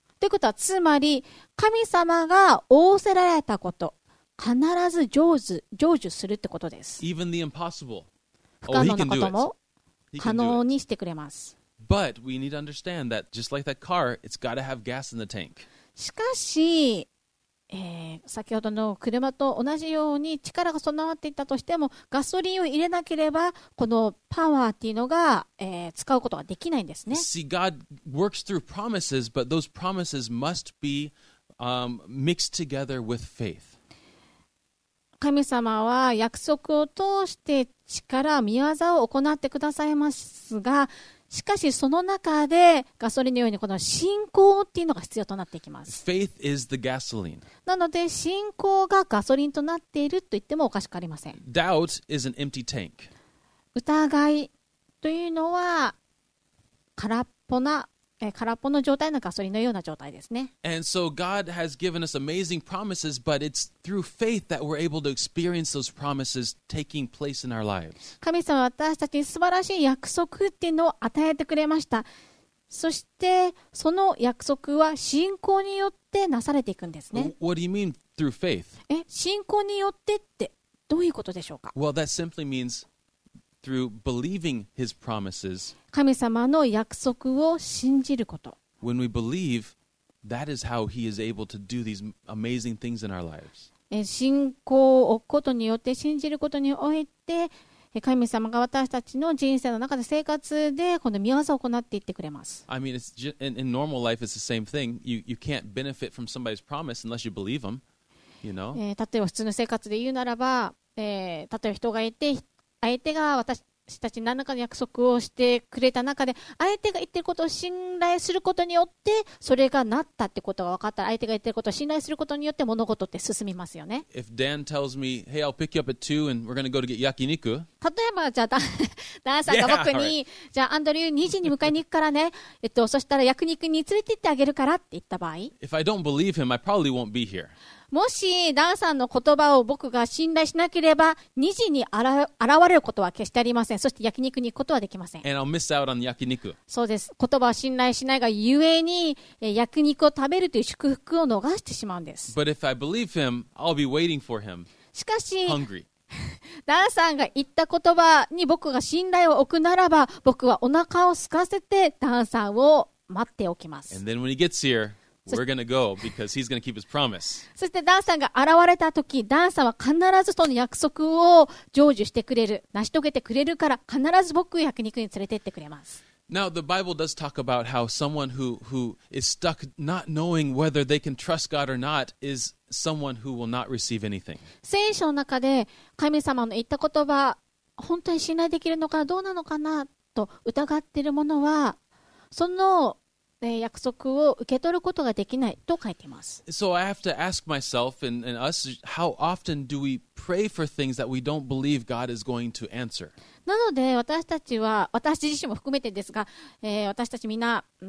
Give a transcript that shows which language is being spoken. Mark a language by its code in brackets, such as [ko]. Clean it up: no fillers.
[ja] ということはつまり神様が仰せられたこと、必ず成就するってことです。 [en] Even the impossible. [ja] 不可能なことも可能にしてくれます。 [en] But we need to understand that just like that car, it's got to have gas in the tank. [ja] しかし、先ほどの車と同じように力が備わっていたとしても、ガソリンを入れなければこのパワーっていうのが、使うことができないんですね。 [en] See, God works through promises, but those promises must be, mixed together with faith. [ja] 神様は約束を通して力、見業を行ってくださいますが、しかしその中でガソリンのようにこの信仰っていうのが必要となっていきます。 [en] Faith is the gasoline. [ja] なので信仰がガソリンとなっていると言ってもおかしくありません。 [en] Doubt is an empty tank. [ja] 疑いというのは空っぽの状態のガソリンのような状態ですね。 [en] And so God has given us amazing promises, but it's through faith that we're able to experience those promises taking place in our lives. [ja] 神様は私たちに素晴らしい約束っていうのを与えてくれました。そしてその約束は信仰によってなされていくんですね。 [en] What do you mean through faith? [ja] 信仰によってってどういうことでしょうか? [en] Well, that simply means. Through believing his promises, [ja] 神様の約束を信じること。 [en] When we believe, that is how he is able to do these amazing things in our lives. [ja] 信仰を置くことによって、信じることにおいて、神様が私たちの人生の中で生活で、この御業を行っていってくれます。 [en] I mean, in normal life, it's the same thing. You can't benefit from somebody's promise unless you believe them. you know? [ja] 例えば普通の生活で言うならば、例えば人がいて、相手が私たち何らかの約束をしてくれた中で、相手が言ってることを信頼することによって、それがなったってことが分かったら、相手が言ってることを信頼することによって物事って進みますよね。 [en] If Dan tells me, hey, I'll pick you up at 2 and we're gonna go to get yakiniku. [ja] 例えば、じゃあ、ダンさんが僕に、 [en] yeah, right. [ja] じゃあ、アンドリュー2時に迎えに行くからね、そしたら焼肉に連れて行ってあげるからって言った場合。 [en] If I don't believe him, I probably won't be here. [ja] もしダンさんの言葉を僕が信頼しなければ2時に現れることは決してありません。そして焼肉に行くことはできません。 [en] And I'll miss out on 焼肉。 [ja] そうです。言葉を信頼しないがゆえに焼肉を食べるという祝福を逃してしまうんです。 [en] But if I believe him, I'll be waiting for him. [ja] しかし [en] Hungry. [ja] ダンさんが言った言葉に僕が信頼を置くならば、僕はお腹を空かせてダンさんを待っておきます。 [en] And then when he gets hereWe're gonna go because he's gonna keep his promise. [ja] そしてダンさんが現れた時、ダンさんは必ずその約束を成就してくれる、成し遂げてくれるから必ず僕を焼肉に連れてってくれます。 [en] Now the Bible does talk about how someone who is stuck not knowing whether they can trust God or not is someone who will not receive anything. [ja] 聖書の中で神様の言った言葉、本当に信頼できるのかどうなのかなと疑っているものは、その約束を受け取ることができないと書いています。 [en] So I have to ask myself and us, how often do we pray for things that we don't believe God is going to answer? [ja] なので私たちは、私自身も含めてですが、私たちみんな、